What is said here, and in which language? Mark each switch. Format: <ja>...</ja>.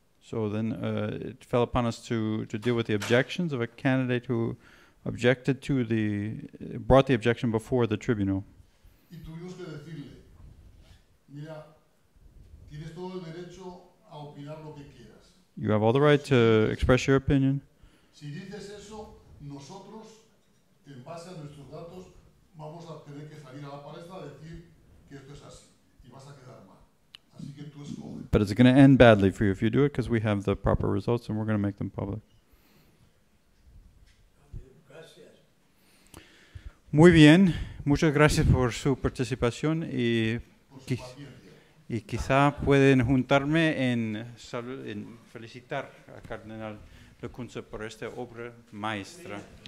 <en>So then it fell upon us to deal with the objections of a candidate who objected to the brought the objection before the tribunal.</en> <es>Y tuvimos que decirle, mira, tienes todo el derecho a opinar lo que quieras.</es> <en>You have all the right to express your opinion.</en> <es>Si dices eso, nosotros, en base a nuestros datos, vamos a tener que salir a la palestra a decir que esto es así y vas a quedar mal. Así que tú escoges.</es> <en>But it's going to end badly for you if you do it, because we have the proper results and we're going to make them public.</en> <es>Muy bien, muchas gracias por su participación y, y quizá pueden juntarme en felicitar a Cardenal Lacunza por esta obra maestra.</es>